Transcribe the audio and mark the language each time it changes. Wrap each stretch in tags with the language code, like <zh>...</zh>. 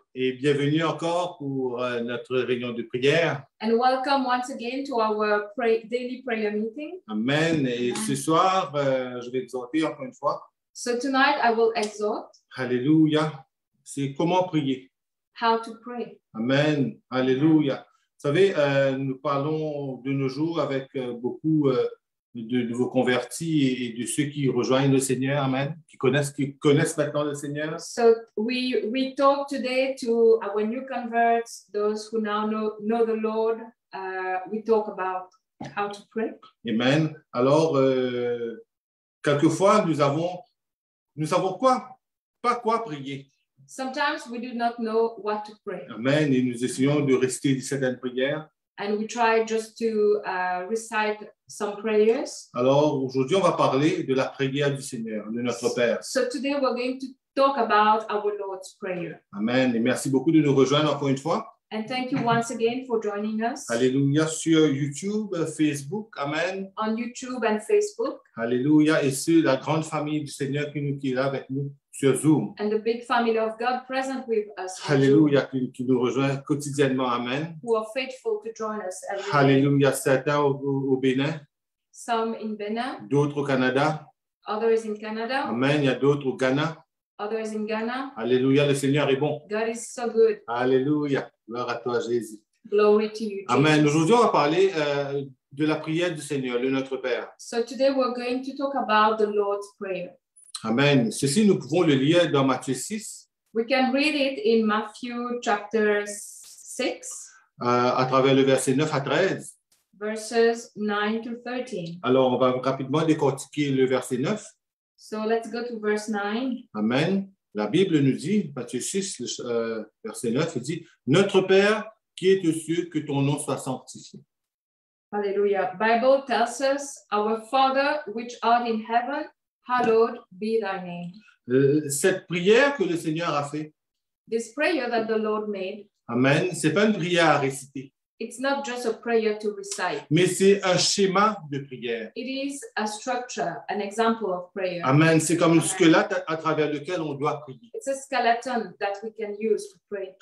<fr>Et bienvenue encore pour notre réunion de prière.</fr> <en>And welcome once again to our daily prayer meeting. Amen.</en> <fr>Et ce soir, je vais exhorter encore une fois.</fr> <en>So tonight I will exhort.</en> <fr>Alléluia. C'est comment prier.</fr> <en>How to pray. Amen. Alléluia.</en> <fr>Vous savez, nous parlons de nos jours avec beaucoup de nouveaux convertis et de ceux qui rejoignent le Seigneur, amen, qui connaissent maintenant le Seigneur.</fr> <en>So we talk today to our new converts, those who now know the Lord. We talk about how to pray. Amen.</en> <fr>Alors, quelquefois nous savons quoi, pas quoi prier.</fr> <en>Sometimes we do not know what to pray. Amen.</en> <fr>Et nous essayons de rester certaines prières.</fr> <en>And we try just to recite some prayers.</en> <fr>Alors aujourd'hui, on va parler de la prière du Seigneur, de notre Père.</fr> <en>So today we're going to talk about our Lord's prayer. Amen.</en> <fr>Et merci beaucoup de nous rejoindre encore une fois.</fr> <en>And thank you once again for joining us.</en> <fr>Alléluia. Sur YouTube, Facebook, amen.</fr> <en>On YouTube and Facebook. Alléluia.</en> <fr>Et sur la grande famille du Seigneur qui nous est là avec nous sur Zoom.</fr> <en>And the big family of God present with us. Alléluia.</en> <fr>Qui nous rejoint quotidiennement, amen.</fr> <en>Who are faithful to join us every day.</en> <fr>Alléluia. Certains au Bénin.</fr> <en>Some in Benin.</en> <fr>D'autres au Canada.</fr> <en>Others in Canada.</en> <fr>Amen. Il y a d'autres au Ghana.</fr> <en>Others in Ghana.</en> <fr>Alléluia. Le Seigneur est bon.</fr> <en>God is so good.</en> <fr>Alléluia. Gloire à toi, Jésus.</fr> <en>Glory to you, Jesus. Amen.</en> <fr>Aujourd'hui, on va parler de la prière du Seigneur, de notre Père.</fr> <en>So today we're going to talk about the Lord's Prayer. Amen.</en> <fr>Ceci, nous pouvons le lire dans Matthieu 6.</fr> <en>We can read it in Matthew chapter 6.</en> <fr>À travers le verset 9 à 13.</fr> <en>Verses 9 to 13.</en> <fr>Alors, on va rapidement décortiquer le verset 9.</fr> <en>So let's go to verse 9. Amen.</en> <fr>La Bible nous dit, Matthieu 6, verset 9, il dit, « Notre Père, qui es aux cieux, que ton nom soit sanctifié. »</fr> <en>Alléluia. Bible tells us, « Our Father, which art in heaven, hallowed be thy name. »</en> <fr>Cette prière que le Seigneur a faite.</fr> <en>This prayer that the Lord made.</en> <fr>Amen. Ce n'est pas une prière à réciter.</fr> <en>It's not just a prayer to recite.</en> <fr>Mais c'est un schéma de prière.</fr> <en>It is a structure, an example of prayer. Amen.</en> <fr>C'est comme le squelette à travers lequel on doit prier.</fr> <en>It's a skeleton that we can use to pray.</en>